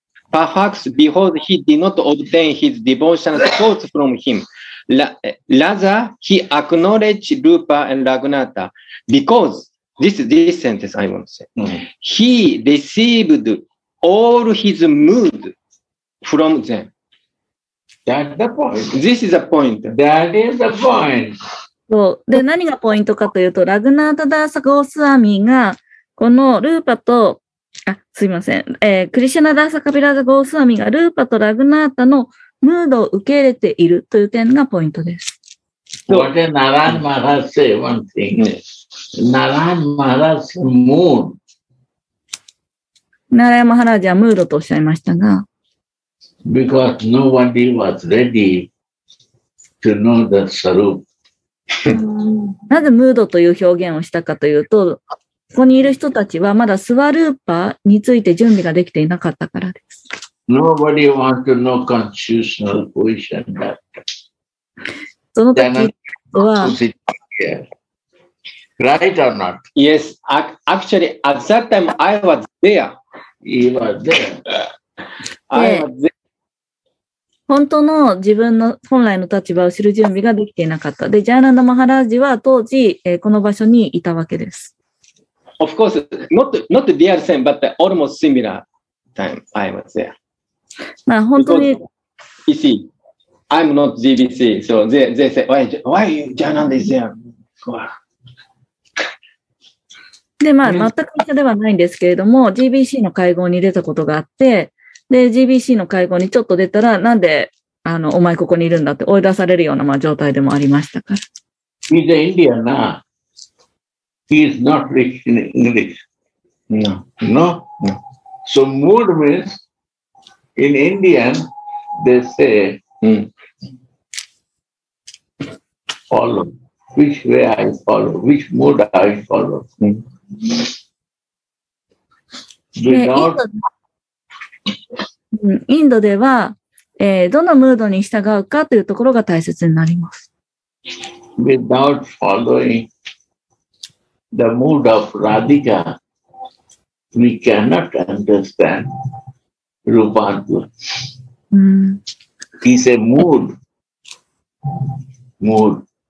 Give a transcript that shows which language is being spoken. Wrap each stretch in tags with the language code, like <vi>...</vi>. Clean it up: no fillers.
<en>Perhaps because he did not obtain his devotional support from him. Rather, he acknowledged Rupa and Raghunatha because, this sentence I want to say, he received all his mood from them. That's the point. This is the point. That is the point.</en> <ja>で、何がポイントかというと、ラグナート・ダーサ・ゴースワミが、このルーパと、クリシュナ・ダーサ・カビラザ・ゴースワミが、ルーパとラグナータのムードを受け入れているという点がポイントです。</ja> <en>What did Narayan Maharaj say? One thing is, Narayan Maharaj's mood.</en> <ja>Narayan Maharaj はムードとおっしゃいましたが、</ja> <en>Because nobody was ready to know the Sarup.</en> <ja>なぜムードという表現をしたかというと、ここにいる人たちはまだスワルーパーについて準備ができていなかったからです。</ja> <en>Nobody wants to know consciousness position that.</en> <ja>その時は、</ja> <en>right or not? Yes, actually, at that time, I was there. He was there. I was there.</en> <ja>本当の自分の本来の立場を知る準備ができていなかった。で、ジャーナンダ・マハラージは当時、この場所にいたわけです。</ja> <en>Of course, not the real same, but almost similar time I was there.</en> <ja>まあ、本当に。</ja> <en>You see, I'm not GBC, so they say, why you, Jananda is there?</en> <ja>で、まあ、全く一緒ではないんですけれども、GBC の会合に出たことがあって、で、GBC の会合にちょっと出たら、なんで、お前ここにいるんだって追い出されるような、まあ、状態でもありましたから。</ja> <en>He's an Indian now. He's not rich in English. No. No? No. So, mood means, in Indian, they say, follow. Which way I follow? Which mood I follow? Without...</en> <ja>インドでは、どのムードに従うかというところが大切になります。</ja> <en>Without following the mood of Radhika, we cannot understand Rupantra. He's a mood. Mood.</en>